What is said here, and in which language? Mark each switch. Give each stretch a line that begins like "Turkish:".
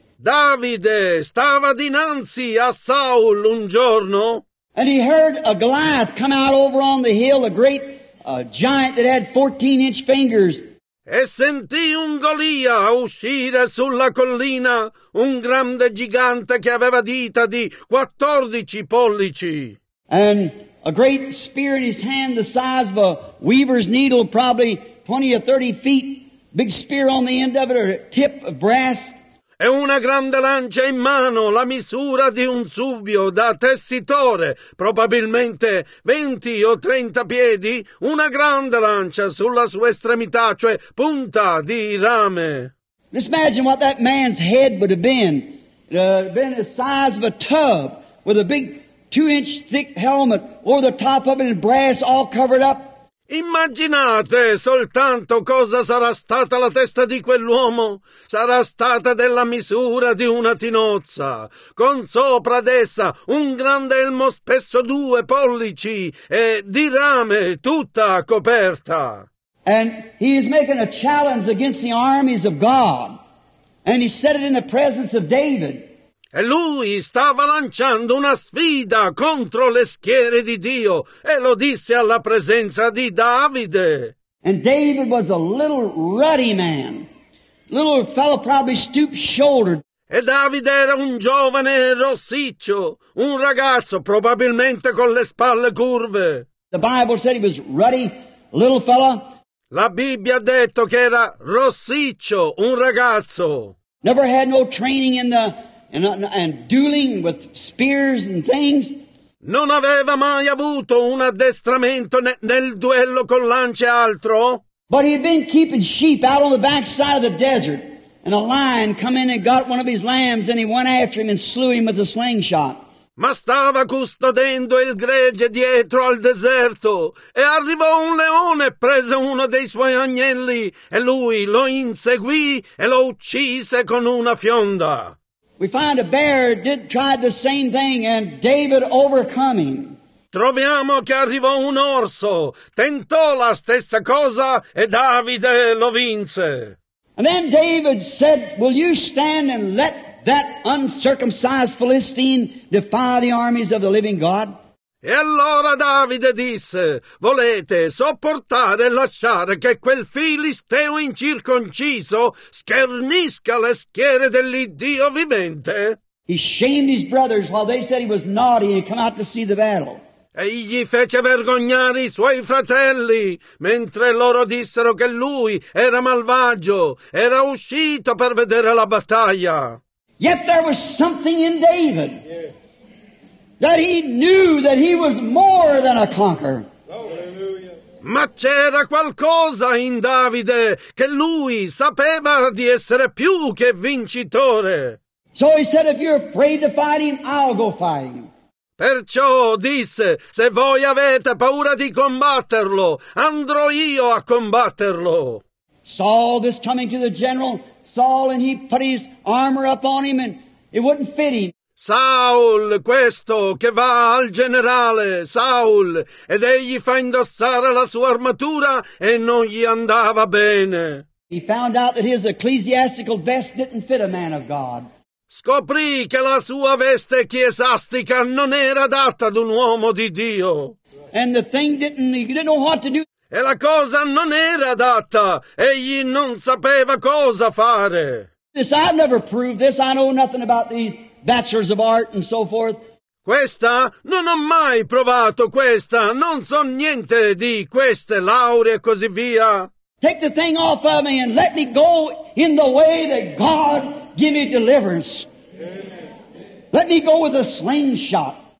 Italian: Davide stava dinanzi a Saul un giorno.
English: And he heard a Goliath come out over on the hill, a great giant that had 14-inch fingers.
Italian: E sentì un Golia uscire sulla collina, un grande gigante che aveva dita di 14 pollici.
English: And a great spear in his hand the size of a weaver's needle, probably 20 or 30 feet, big spear on the end of it, or tip of brass.
Italian: E una grande lancia in mano, la misura di un subbio da tessitore, probabilmente 20 o 30 piedi, una grande lancia sulla sua estremità, cioè punta di rame.
English: Just imagine what that man's head would have been. It would have been the size of a tub with a big 2-inch thick helmet over the top of it and brass all covered up.
Italian: Immaginate soltanto cosa sarà stata la testa di quell'uomo. Sarà stata della misura di una tinozza, con sopra ad essa un grande elmo spesso 2 pollici e di rame tutta coperta.
English: And he is making a challenge against the armies of God, and he said it in the presence of David.
Italian: E lui stava lanciando una sfida contro le schiere di Dio e lo disse alla presenza di Davide.
English: And David was a little ruddy man, little fellow probably stoop-shouldered.
Italian: E Davide era un giovane rossiccio, un ragazzo probabilmente con le spalle curve.
English: The Bible said he was ruddy, little fellow.
Italian: La Bibbia ha detto che era rossiccio, un ragazzo.
English: Never had no training in the And dueling with spears and things.
Italian: Non aveva mai avuto un addestramento nel duello con lance e altro.
English: But he had been keeping sheep out on the backside of the desert, and a lion come in and got one of his lambs, and he went after him and slew him with a slingshot.
Italian: Ma stava custodendo il gregge dietro al deserto, e arrivò un leone e prese uno dei suoi agnelli, e lui lo inseguì e lo uccise con una fionda.
English: We find a bear did try the same thing, and David overcoming.
Italian: Troviamo che arrivò un orso, tentò la stessa cosa e Davide lo vinse.
English: And then David said, "Will you stand and let that uncircumcised Philistine defy the armies of the living God?"
Italian: E allora Davide disse, "Volete sopportare e lasciare che quel filisteo incirconciso schernisca le schiere dell'Iddio vivente?"
English: He shamed his brothers while they said he was naughty and come out to see the battle.
Italian: egli fece vergognare i suoi fratelli, mentre loro dissero che lui era malvagio, era uscito per vedere la battaglia.
English: Yet there was something in David that he knew that he was more than a conqueror.
Italian: Ma c'era qualcosa in Davide che lui sapeva di essere più che vincitore.
English: So he said, if you're afraid to fight him, I'll go fight him.
Italian: Perciò disse, se voi avete paura di combatterlo, andrò io a combatterlo.
English: Saul, this coming to the general, Saul, and he put his armor up on him and it wouldn't fit him.
Italian: Saul, questo che va al generale, Saul, ed egli fa indossare la sua armatura e non gli andava bene.
English: He found out that his ecclesiastical vest didn't fit a man of God.
Italian: Scoprì che la sua veste ecclesiastica non era adatta ad un uomo di Dio.
English: And the thing didn't, he didn't know what to do.
Italian: E la cosa non era adatta, egli non sapeva cosa fare.
English: This, I've never proved this, I know nothing about these bachelors of art and so forth.
Italian: Questa? Non ho mai provato questa, non so niente di queste lauree e così via.
English: Take the thing off of me and let me go in the way that God give me deliverance. Let me go with a slingshot.